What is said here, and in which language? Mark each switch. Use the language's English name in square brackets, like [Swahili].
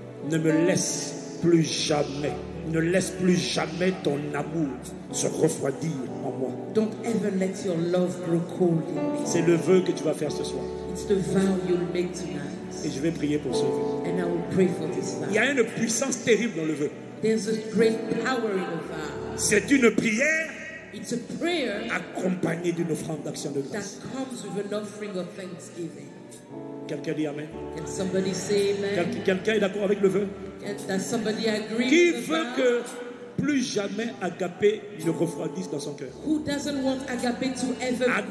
[French] ne me laisse plus jamais, ne laisse plus jamais ton amour se refroidir en moi. [English] Don't ever let your love grow cold in me. [French] C'est le vœu que tu vas faire ce soir. [English] It's the vow you'll make tonight. [French] Et je vais prier pour ce vœu. [English] And I will pray for this vow. [French] Il y a une puissance terrible dans le vœu. [English] There's a great power in the vow. [French] C'est une prière. [English] It's a prayer [French] accompagnée d'une offrande d'action de grâce. [English] That comes with an offering of thanksgiving. [French] Quelqu'un dit amen. [English] Can somebody say amen? [French] Quelqu'un est d'accord avec le vœu? [English] Does somebody agree? [French] Qui veut que plus jamais agapé ne refroidisse dans son cœur? [English] Who doesn't want agape to ever grow cold?